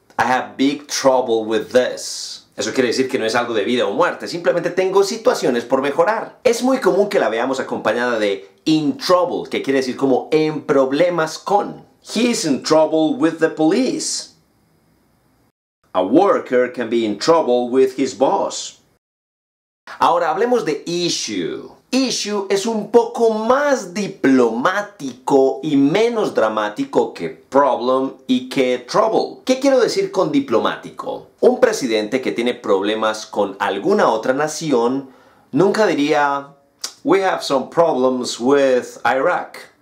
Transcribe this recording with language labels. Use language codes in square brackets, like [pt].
[en] I have big trouble with this. [es] Eso quiere decir que no es algo de vida o muerte, simplemente tengo situaciones por mejorar. Es muy común que la veamos acompañada de in trouble, que quiere decir como en problemas con. [en] He is in trouble with the police. A worker can be in trouble with his boss. [es] Ahora hablemos de issue. Issue es un poco más diplomático y menos dramático que problem y que trouble. ¿Qué quiero decir con diplomático? Un presidente que tiene problemas con alguna otra nación nunca diría, [en] we have some problems with Iraq.